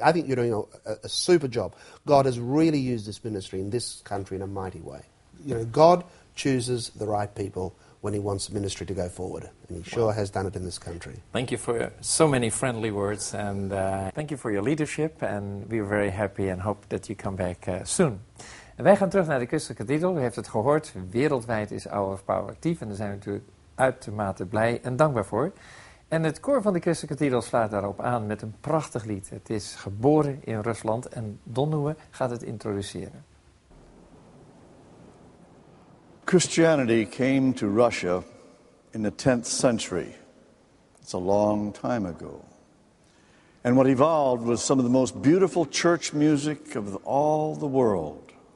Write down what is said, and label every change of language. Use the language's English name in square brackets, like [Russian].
[English] I think you're doing a super job. God has really used this ministry in this country in a mighty way. You know, God chooses the right people when he wants the ministry to go forward. And he sure has done it in this country. Thank you for so many friendly words. And thank you for your leadership. And we're very happy and hope that you come back soon. [Dutch] En wij gaan terug naar de Crystal Cathedral. U heeft het gehoord. Wereldwijd is Hour of Power actief. En daar zijn we natuurlijk uitermate blij en dankbaar voor. En het koor van de Crystal Cathedral slaat daarop aan met een prachtig lied. Het is geboren in Rusland. En Donnoe gaat het introduceren. [English] Christianity came to Russia in the 10th century. It's a long time ago. And what evolved was some of the most beautiful church music of all the world.